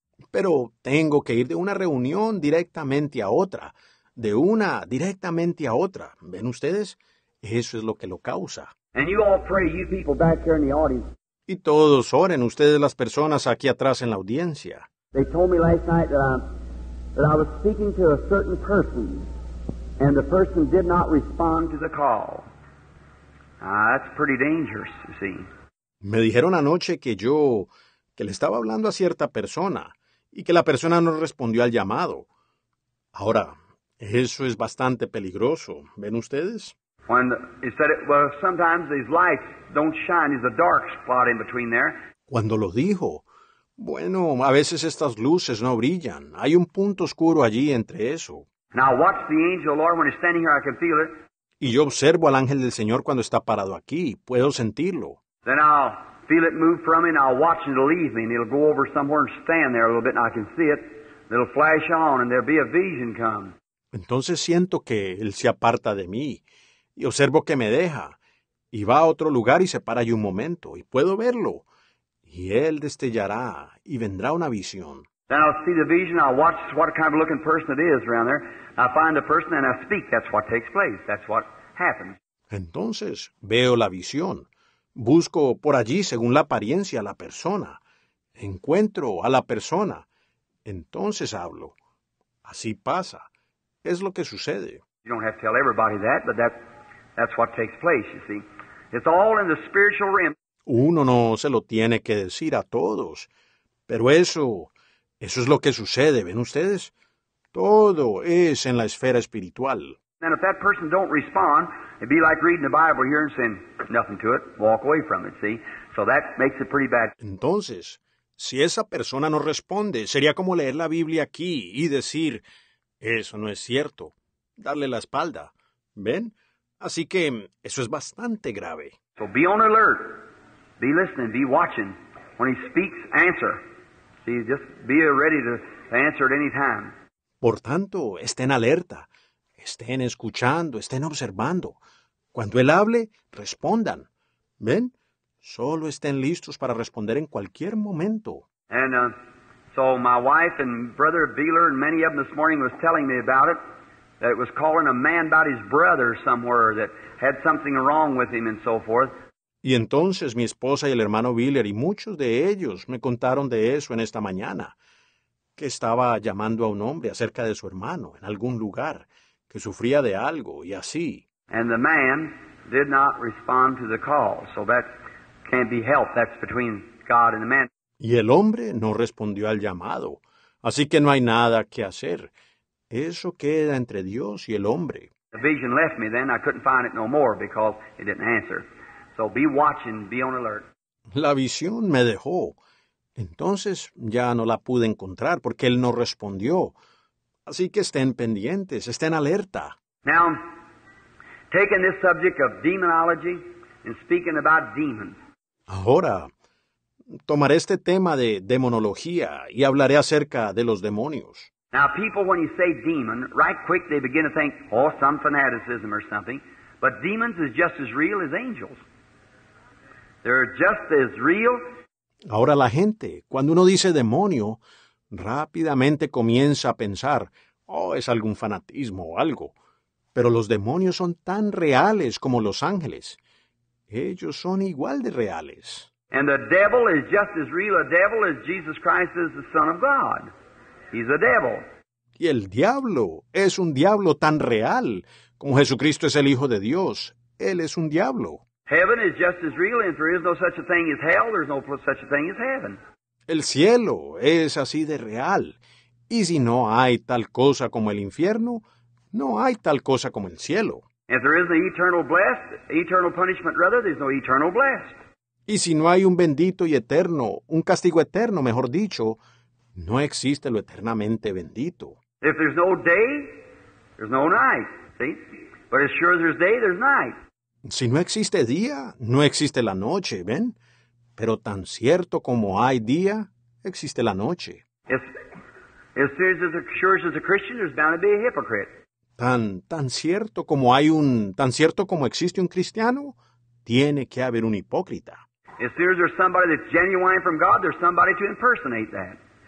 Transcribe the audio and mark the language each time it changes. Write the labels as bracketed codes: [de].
[es] Pero tengo que ir de una reunión directamente a otra, de una directamente a otra. ¿Ven ustedes? Eso es lo que lo causa. [en] And you all pray, you people back here in the audience. [es] Y todos oren, ustedes las personas aquí atrás en la audiencia. [en] They told me last night that I was speaking to a certain person, and the person did not respond to the call. Ah, that's pretty dangerous, you see. [es] Me dijeron anoche que yo, que le estaba hablando a cierta persona, y que la persona no respondió al llamado. Ahora, Eso es bastante peligroso, ¿ven ustedes? [en] When he said it, well, sometimes these lights don't shine. There's a dark spot in between there. [es] Cuando lo dijo, bueno, a veces estas luces no brillan. Hay un punto oscuro allí entre eso. [en] Now watch the angel of the Lord when he's standing here. I can feel it. [es] Y yo observo al ángel del Señor cuando está parado aquí. Puedo sentirlo. [en] Then I'll feel it move from me, and I'll watch it leave me, and it'll go over somewhere and stand there a little bit, and I can see it. It'll flash on, and there'll be a vision come. [es] Entonces siento que él se aparta de mí. Y observo que me deja, y va a otro lugar y se para allí un momento, y puedo verlo, y él destellará, y vendrá una visión. [en] Then I'll see the vision, I'll watch what kind of looking person it is around there, I find the person and I speak, that's what takes place, that's what happens. [es] Entonces, veo la visión, busco por allí según la apariencia a la persona, encuentro a la persona, entonces hablo, así pasa, es lo que sucede. [en] You don't have to tell everybody that, but that's what takes place, you see. It's all in the spiritual realm. [es] Uno no se lo tiene que decir a todos, pero eso es lo que sucede, ¿ven ustedes? Todo es en la esfera espiritual. [en] And if that person don't respond, it'd be like reading the Bible here and saying nothing to it, walk away from it, see? So that makes it pretty bad. [es] Entonces, si esa persona no responde, sería como leer la Biblia aquí y decir, eso no es cierto. Darle la espalda, ¿ven? Así que eso es bastante grave. [en] So be on alert, be listening, be watching. When he speaks, answer. See, just be ready to answer at any time. [es] Por tanto, estén alerta, estén escuchando, estén observando. Cuando él hable, respondan, ¿ven? Solo estén listos para responder en cualquier momento. [en] And so my wife and brother Beeler and many of them this morning was telling me about it. That it was calling a man about his brother somewhere that had something wrong with him and so forth. [es] Y entonces mi esposa y el hermano Wheeler y muchos de ellos me contaron de eso en esta mañana, que estaba llamando a un hombre acerca de su hermano en algún lugar, que sufría de algo y así. [en] And the man did not respond to the call, so that can't be helped. That's between God and the man. [es] Y el hombre no respondió al llamado, así que no hay nada que hacer. Eso queda entre Dios y el hombre. [en] The vision left me then. I couldn't find it no more because it didn't answer. So be watching, be on alert. [es] La visión me dejó. Entonces ya no la pude encontrar porque él no respondió. Así que estén pendientes, estén alerta. [en] Now, taking this subject of demonology and speaking about demons. [es] Ahora, tomaré este tema de demonología y hablaré acerca de los demonios. [en] Now, people, when you say demon, right quick they begin to think, oh, some fanaticism or something. But demons is just as real as angels. They're just as real. [es] Ahora la gente, cuando uno dice demonio, rápidamente comienza a pensar, oh, es algún fanatismo o algo. Pero los demonios son tan reales como los ángeles. Ellos son igual de reales. [en] And the devil is just as real a devil as Jesus Christ is the Son of God. He's a devil. [es] Y el diablo es un diablo tan real como Jesucristo es el Hijo de Dios. Él es un diablo. [en] Heaven is just as real, and there is no such a thing as hell. There's no such a thing as heaven. [es] El cielo es así de real. Y si no hay tal cosa como el infierno, no hay tal cosa como el cielo. [en] If there is no eternal blessed, eternal punishment rather, there's no eternal blessed. [es] Y si no hay un bendito y eterno, un castigo eterno, mejor dicho, no existe lo eternamente bendito. [en] If there's no day, there's no night, see? But as sure as there's day, there's night. [es] Si no existe día, no existe la noche, ¿ven? Pero tan cierto como hay día, existe la noche. [en] As sure as a Christian, there's bound to be a hypocrite. [es] Tan cierto como existe un cristiano, tiene que haber un hipócrita. [en] As soon as there's somebody that's genuine from God, there's somebody to impersonate that.